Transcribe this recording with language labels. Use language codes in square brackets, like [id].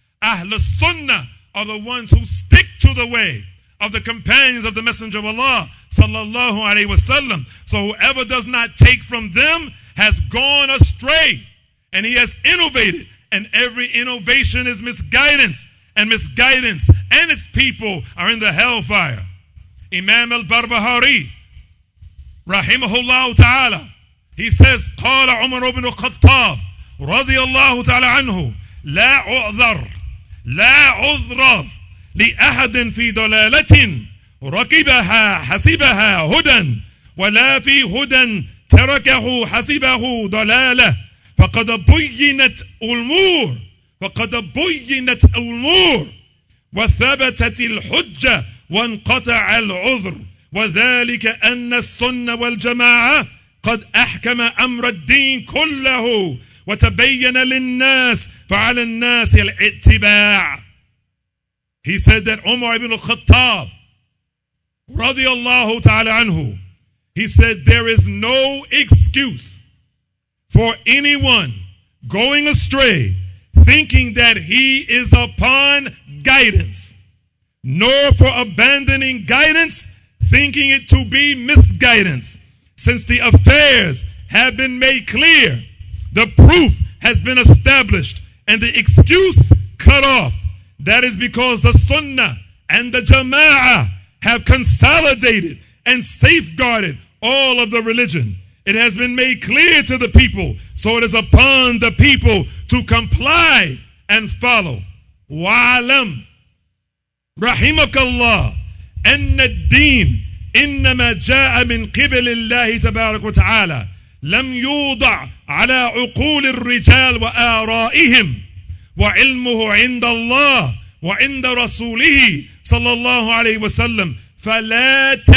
[en] Ahlus Sunnah are the ones who stick to the way of the companions of the Messenger of Allah, sallallahu alaihi wasallam. So whoever does not take from them has gone astray, and he has innovated, and every innovation is misguidance, and misguidance and its people are in the hellfire. Imam al-Barbahari, rahimahullah ta'ala, he says, [ar] قال عمر بن الخطاب رضي الله تعالى عنه لا عذر لا عذر لأحد في ضلالة ركبها حسبها هدى ولا في هدى تركه حسبه ضلالة فقد بينت الأمور فقد بينت الأمور وثبتت الحجة وانقطع العذر وذلك أن السنة والجماعة قد أحكم أمر الدين كله وتبين للناس فعلى الناس الاتباع. [en] He said that Umar ibn al-Khattab radiallahu ta'ala anhu, he said, there is no excuse for anyone going astray thinking that he is upon guidance, nor for abandoning guidance thinking it to be misguidance. Since the affairs have been made clear, the proof has been established, and the excuse cut off, that is because the Sunnah and the Jama'ah have consolidated and safeguarded all of the religion. It has been made clear to the people, so it is upon the people to comply and follow. [ar] Wa'alam, rahimakallah, anna ad-deen إنما جاء من قبل الله تبارك وتعالى لم يوضع على عقول الرجال وآرائهم وعلمه عند الله وعند رسوله صلى الله عليه وسلم فلا